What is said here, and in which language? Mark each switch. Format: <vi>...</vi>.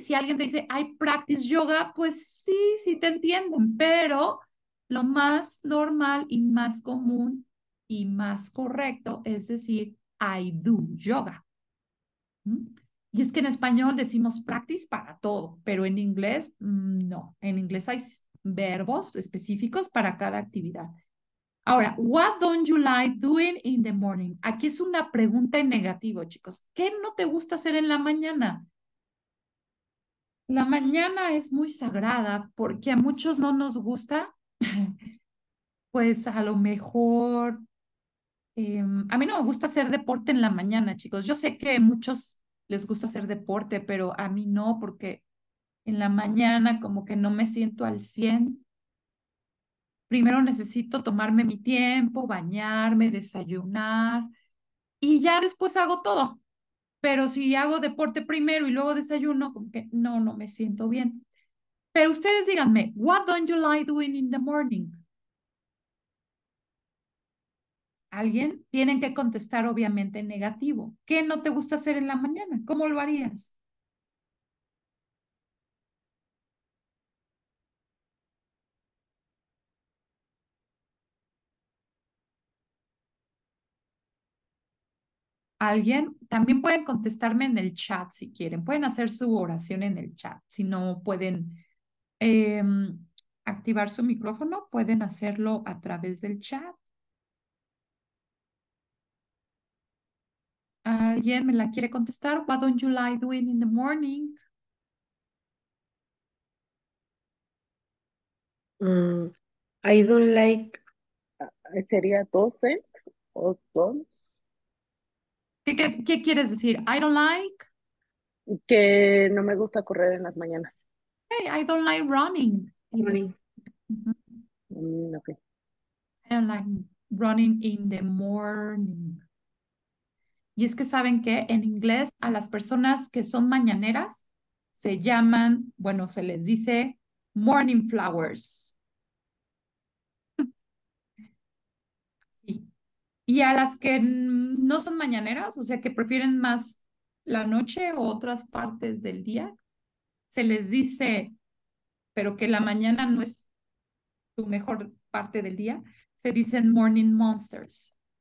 <es>Si alguien te dice,</es> <en>I practice yoga,</en> <es>pues sí, sí te entienden, pero lo más normal y más común y más correcto es decir,</es> <en>I do yoga.</en> <es>Y es que en español decimos practice para todo, pero en inglés no. En inglés hay verbos específicos para cada actividad. Ahora,</es> <en>what don't you like doing in the morning?</en> <es>Aquí es una pregunta en negativo, chicos. ¿Qué no te gusta hacer en la mañana? La mañana es muy sagrada porque a muchos no nos gusta. Pues a lo mejor, a mí no me gusta hacer deporte en la mañana, chicos. Yo sé que a muchos les gusta hacer deporte, pero a mí no, porque en la mañana como que no me siento al 100. Primero necesito tomarme mi tiempo, bañarme, desayunar y ya después hago todo. Pero si hago deporte primero y luego desayuno, como que no, no me siento bien. Pero ustedes díganme,</es> <en>what don't you like doing in the morning?</en> <es>¿Alguien? Tienen que contestar obviamente negativo. ¿Qué no te gusta hacer en la mañana? ¿Cómo lo harías? ¿Alguien? También pueden contestarme en el chat si quieren. Pueden hacer su oración en el chat, si no pueden. Activar su micrófono, pueden hacerlo a través del chat. ¿Alguien me la quiere contestar?</es> <en>What don't you like doing in the morning? I don't like</en> <es>sería docent o don't. ¿Qué quieres decir?</es> <en>I don't like.</en> <es>Que no me gusta correr en las mañanas.</es> <en>Hey, I don't like Morning. running. Okay. I don't like running in the morning.</en> <es>Y es que saben que en inglés a las personas que son mañaneras se llaman, bueno, se les dice</es> <en>morning flowers.</en> <es>Y a las que no son mañaneras, o sea, que prefieren más la noche o otras partes del día, se les dice, pero que la mañana no es tu mejor parte del día, se dicen</es> <en>morning monsters.</en>